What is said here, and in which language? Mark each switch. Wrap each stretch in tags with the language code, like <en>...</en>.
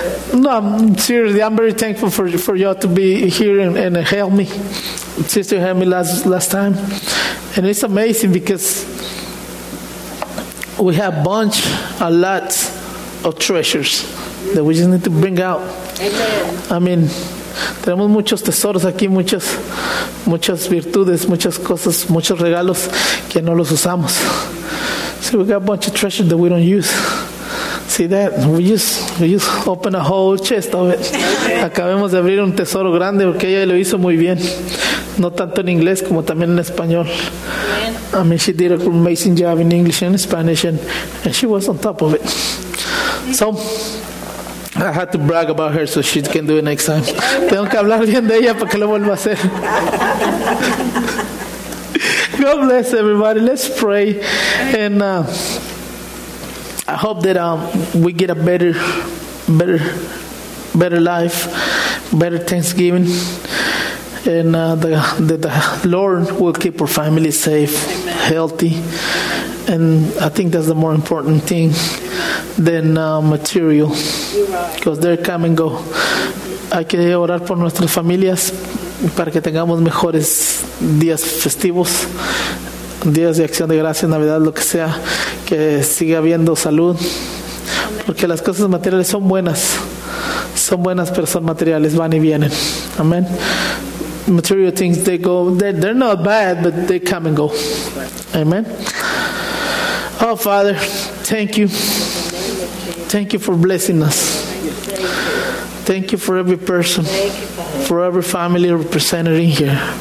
<en>No, I'm seriously, I'm very thankful for y'all to be here and help me. Sister helped me last time. And it's amazing because we have a lot of treasures that we just need to bring out. Amen. I mean,</en> <es>tenemos muchos tesoros aquí, muchas virtudes, muchas cosas, muchos regalos que no los usamos.</es> <en>See, we got a bunch of treasures that we don't use. See that? We just open a whole chest of it.</en> <es>Acabemos de abrir un tesoro grande porque ella lo hizo muy bien. No tanto en inglés como también en español.</es> <en>I mean, she did an amazing job in English and Spanish, and she was on top of it. So, I had to brag about her so she can do it next time.</en> <es>Tengo que hablar bien de ella para que lo vuelva a hacer.</es> <en>God bless everybody. Let's pray. And I hope that we get a better life, better Thanksgiving. And the Lord will keep our family safe, amen, healthy. And I think that's the more important thing than material. Because they come and go.</en> <es>Hay que orar por nuestras familias para que tengamos mejores días festivos, días de acción de gracia, Navidad, lo que sea, que siga habiendo salud. Porque las cosas materiales son buenas, pero son materiales, van y vienen. Amén.</es> <en>Material things, they go, they're not bad, but they come and go. Amen. Oh, Father, thank you. Thank you for blessing us. Thank you for every person, for every family represented in here.</en>